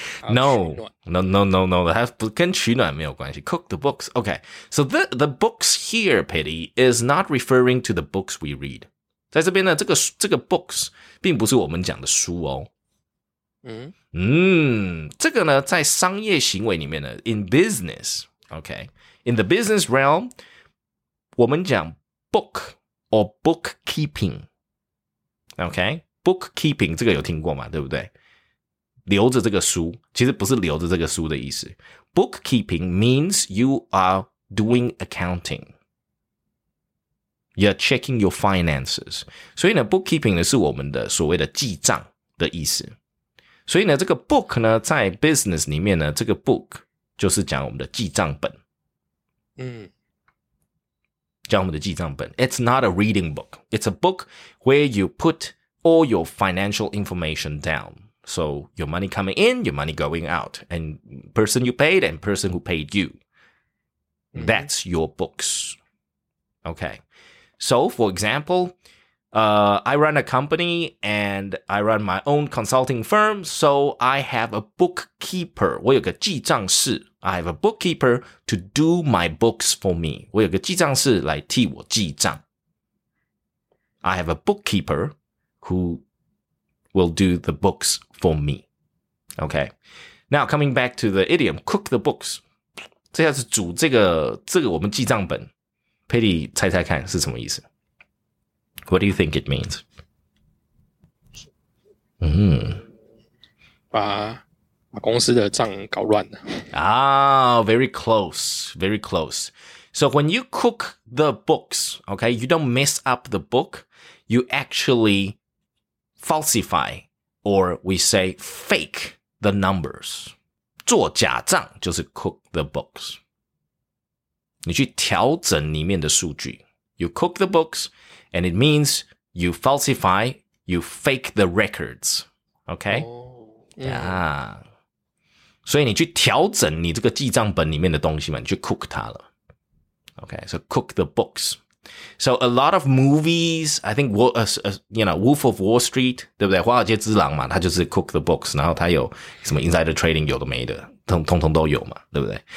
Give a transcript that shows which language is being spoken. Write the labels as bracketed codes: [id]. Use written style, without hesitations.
[zh] No, 它跟取暖没有关系。 [en] Cook the books. Okay. So the books here, Pity, is not referring to the books we read. [zh] 在这边呢，这个 books 并不是我们讲的书哦。嗯嗯，这个呢，在商业行为里面呢 ，in business， OK， [en] in the business realm， [zh] 我们讲 book or bookkeeping， OK， bookkeeping 这个有听过吗？对不对？留着这个书，其实不是留着这个书的意思。 [en] Bookkeeping means you are doing accounting. You're checking your finances. [zh] 所以呢 bookkeeping 呢是我们的所谓的记账的意思。所以呢这个 book 呢在 business 里面呢这个 book 就是讲我们的记账本。嗯。讲我们的记账本。 [en] It's not a reading book. It's a book where you put all your financial information down. So your money coming in, your money going out. And person you paid and person who paid you.、嗯、That's your books. Okay. So, for example,、I run a company and I run my own consulting firm, so I have a bookkeeper. [zh] 我有个记账师 [en] I have a bookkeeper to do my books for me. [zh] 我有个记账师来替我记账 [en] I have a bookkeeper who will do the books for me. Okay. Now, coming back to the idiom, cook the books. [zh] 这下是煮这个我们记账本。 Pity, 猜猜看是什么意思 [en] What do you think it means?、 [zh] Mm. 把公司的账搞乱了。 [en] Very close. So when you cook the books, okay, you don't mess up the book, you actually falsify, or we say fake the numbers. [zh] 做假账就是 [en] cook the books. [zh] 你去调整里面的数据 [en] You cook the books And it means you falsify You fake the records Okay、 oh, yeah. Yeah. [zh] 所以你去调整你这个记账本里面的东西嘛，你去 cook 它了 [en] Okay, so cook the books [zh] So a lot of movies I think you know, Wolf of Wall Street 对不对华尔街之狼嘛，它就是 cook the books 然后它有什么 insider trading 有的没的通通都有嘛，对不对？